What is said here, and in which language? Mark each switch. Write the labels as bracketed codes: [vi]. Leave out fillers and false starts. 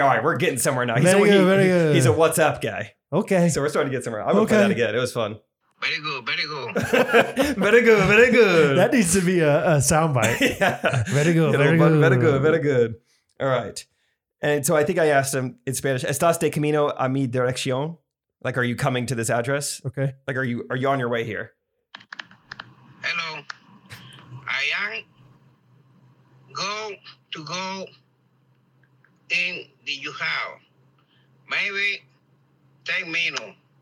[en] All right, we're getting somewhere now. He's very good. He's a WhatsApp guy. Okay. So we're starting to get somewhere. I'm going to play that again. It was fun. Very good. That needs to be a soundbite. Yeah. Very good. All right. And so I think I asked him in Spanish, [es] ¿Estás de camino a mi dirección? [en] Like, are you coming to this address? Okay. Like, are you on your way here? Hello. I am going to go in the U-Haul. Maybe 10 minutes.